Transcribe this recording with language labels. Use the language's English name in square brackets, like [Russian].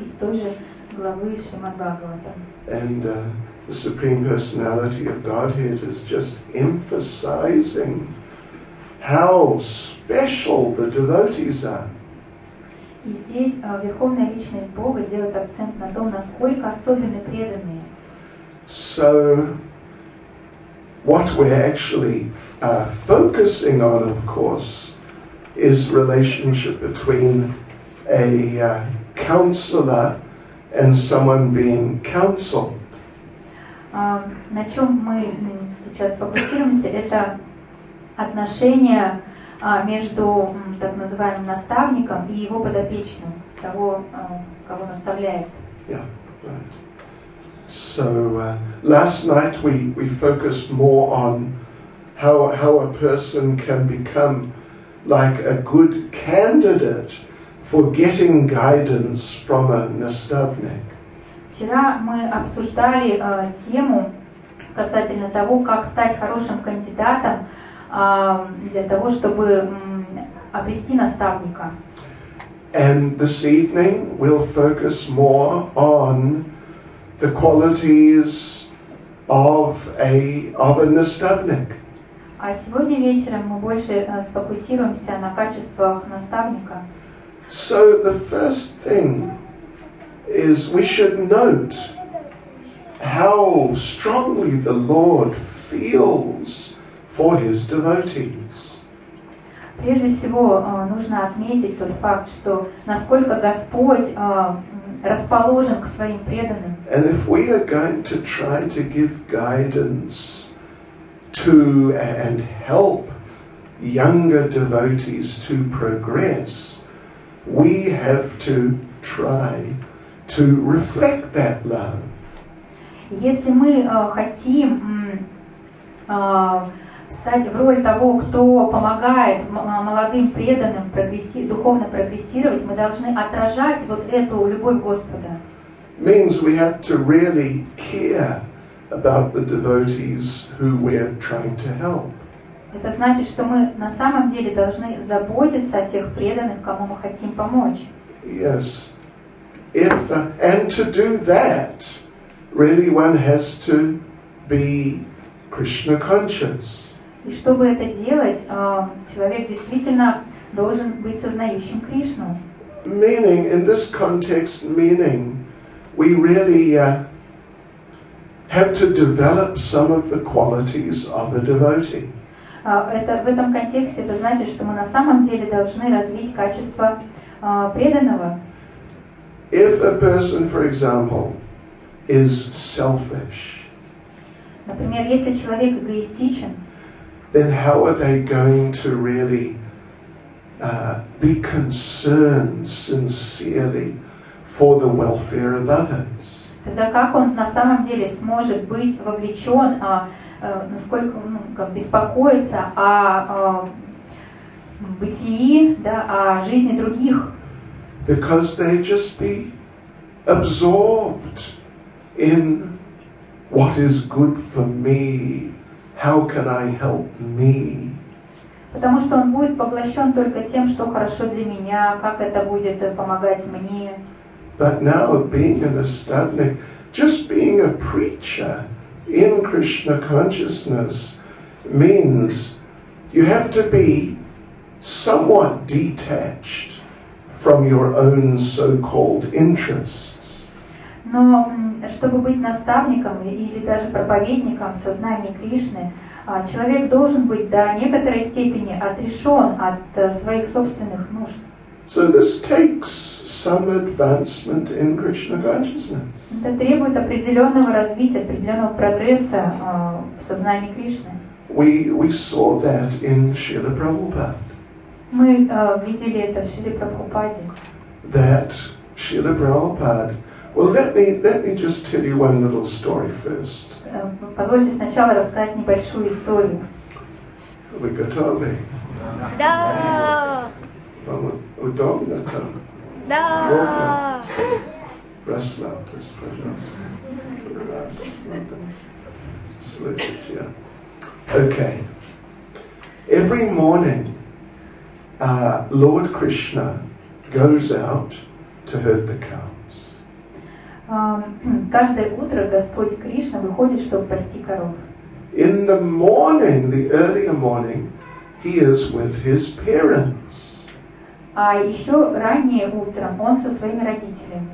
[English] And the Supreme Personality of Godhead is just emphasizing how special the devotees are. [Russian] И здесь Верховная Личность Бога делает акцент на том, насколько особенны преданные. [English] So, what we're actually focusing on, of course, is relationship between a counselor and someone being counseled. [Russian] На чем мы сейчас фокусируемся, это отношения между так называемым наставником и его подопечным, того, кого наставляет. [English] Yeah, right. So last night we focused more on how a person can become like a good candidate for getting guidance from a наставник. [Russian] Вчера мы обсуждали тему касательно того, как стать хорошим кандидатом для того, чтобы обрести наставника. [English] And this evening we'll focus more on the qualities of a наставник. [Russian] А сегодня вечером мы больше сфокусируемся на качествах наставника. [English] So the first thing is we should note how strongly the Lord feels for his devotees. [Russian] Прежде всего, нужно отметить тот факт, что насколько Господь расположен к своим преданным. [English] And if we are going to try to give guidance to and help younger devotees to progress, we have to try to reflect that love. [Russian] Если мы хотим стать в роль того, кто помогает молодым преданным духовно прогрессировать, мы должны отражать вот эту любовь Господа. [English] Means we have to really care about the devotees who we are trying to help. [Russian] Это значит, что мы на самом деле должны заботиться о тех преданных, кому мы хотим помочь. [English] Yes. And to do that, really one has to be Krishna conscious. [Russian] И чтобы это делать, человек действительно должен быть сознающим Кришну. [English] Meaning, in this context, meaning, we really have to develop some of the qualities of a devotee. [Russian] Это в этом контексте это значит, что мы на самом деле должны развить качества преданного. [English] If a person, for example, is selfish. [Russian] Например, если человек эгоистичен. [English] Then how are they going to really be concerned sincerely for the welfare of others? [Russian] Тогда как он на самом деле сможет быть вовлечен, насколько беспокоиться о бытии, да, о жизни других? [English] Because they just be absorbed in what is good for me. How can I help me? [Russian] Потому что он будет поглощен только тем, что хорошо для меня, как это будет помогать мне. [English] But now being a наставник, just being a preacher in Krishna consciousness means you have to be somewhat detached from your own so-called interests. [Russian] Но чтобы быть наставником или даже проповедником в сознании Кришны, человек должен быть до некоторой степени отрешен от своих собственных нужд. [English] So this takes some advancement in Krishna consciousness. [Russian] Это требует определенного развития, определенного прогресса в сознании Кришны. [English] We saw that in Śrīla Prabhupāda. [Russian] Мы видели это в Śrīla Prabhupāda. [English] That Śrīla Prabhupāda. Well, let me just tell you one little story first. [Russian] Позвольте сначала рассказать небольшую историю. Вы готовы? Да. Удобно там? Да. Расслабьтесь, пожалуйста. [English] Okay. Every morning, Lord Krishna goes out to herd the cows. [Russian] Каждое утро Господь Кришна выходит, чтобы пасти коров. [English] In the morning, the earlier morning, he is with his parents. [Russian] А еще раннее утром он со своими родителями.